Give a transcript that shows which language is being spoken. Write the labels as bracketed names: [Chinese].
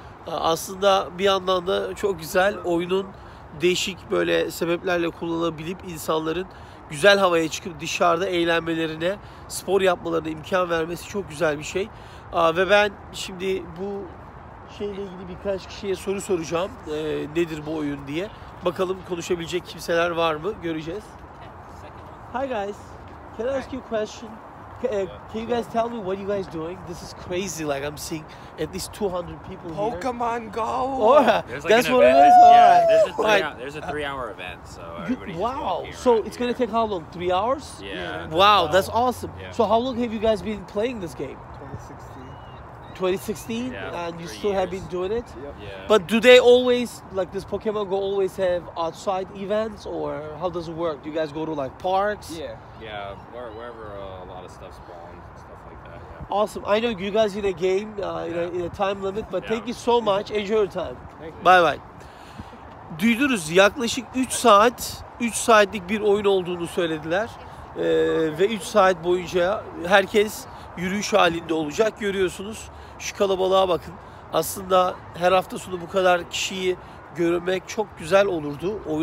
[Turkish] Aslında bir yandan da çok güzel oyunun değişik böyle sebeplerle kullanılabilip insanların güzel havaya çıkıp dışarıda eğlenmelerine, spor yapmalarına imkan vermesi çok güzel bir şey. Ve ben şimdi bu şeyle ilgili birkaç kişiye soru soracağım. Nedir bu oyun diye. Bakalım konuşabilecek kimseler var mı? Göreceğiz. [English] Hi guys. Can I ask you a question? Can you guys tell me what you guys doing? This is crazy. Like I'm seeing at least 200 people Pokemon Pokemon Go. Oh, like that's what event. It is. Yeah, all right. There's a 3-hour event. It's gonna take how long? 3 hours? Yeah. Wow, that's awesome. Yeah. So how long have you guys been playing this game? 2016. 2016, yeah, and you still have been doing it. Yep. Yeah. But do they always like this Pokemon Go always have outside events or how does it work? Do you guys go to like parks? Yeah, wherever a lot of stuff spawns and stuff like that. Yeah. Awesome. I know you guys in a game in a time limit, but thank you so much. Enjoy your time. Thank you. Bye bye. [Turkish] Duydunuz, yaklaşık 3 saatlik bir oyun olduğunu söylediler. Ve 3 saat boyunca herkes yürüyüş halinde olacak. Görüyorsunuz şu kalabalığa bakın. Aslında her hafta sonu bu kadar kişiyi görmek çok güzel olurdu.